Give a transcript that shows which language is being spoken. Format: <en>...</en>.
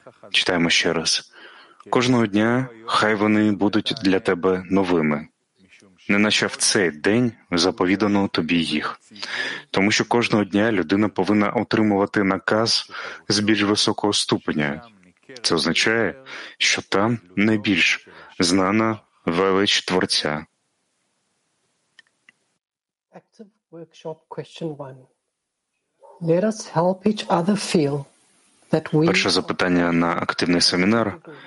<uk>Читаємо ще раз. Кожного дня хай вони будуть для тебе новими, неначе в цей день заповідано тобі їх. Тому що кожного дня людина повинна отримувати наказ з більш високого ступеня. Це означає, що там найбільш знана велич Творця.</uk> <en>Active workshop question one. Let us help each other feel that we...</en> <uk>Перше запитання на активний семінар.</uk>